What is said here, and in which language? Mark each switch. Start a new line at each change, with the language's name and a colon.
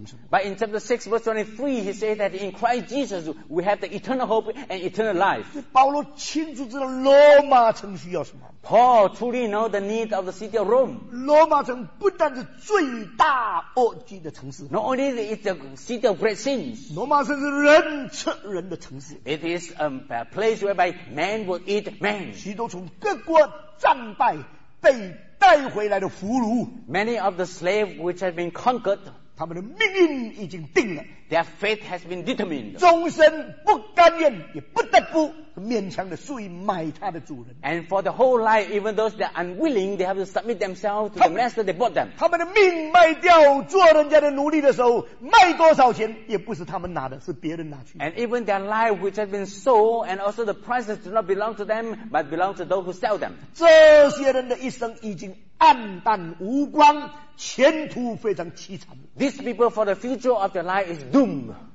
English: But in chapter 6 verse 23 he says that in Christ Jesus we have the eternal hope and eternal life.
Chinese: 保罗亲自知道罗马城需要什么。
English: Paul truly know the need of the city of Rome.
Chinese: 罗马城不但是罪大恶极的城市。
English: Not only is it a city of great sins.
Chinese: 罗马城是人吃人的城市。
English: It is a place whereby man will eat man.
Chinese: 许多从各国战败被带回来的俘虏。
English: Many of the slaves which have been conquered
Chinese: 他们的命运已经定了。
English: their faith has been determined.
Chinese: 终身不甘愿，也不得不勉强的，所以卖他的主人。
English: And for the whole life, even those that are unwilling, they have to submit themselves to the master they bought them.
Chinese: 他们的命卖掉做人家的奴隶的时候，卖多少钱也不是他们拿的，是别人拿去。
English: And even their life, which has been sold, and also the prices do not belong to them, but belong to those who sell them.
Chinese: 这些人的一生已经 暗淡无光，前途非常凄惨。These
English: people for the future of their life is doomed.